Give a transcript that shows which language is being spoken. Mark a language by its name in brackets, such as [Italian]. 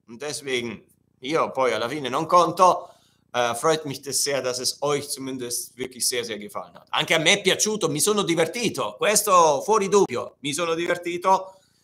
[German] Und deswegen, [Italian] io poi alla fine non conto. [German] Freut mich das sehr, dass es euch zumindest wirklich sehr, sehr gefallen hat. [Italian] Anche a me è piaciuto, mi sono divertito. Questo fuori dubbio, mi sono divertito.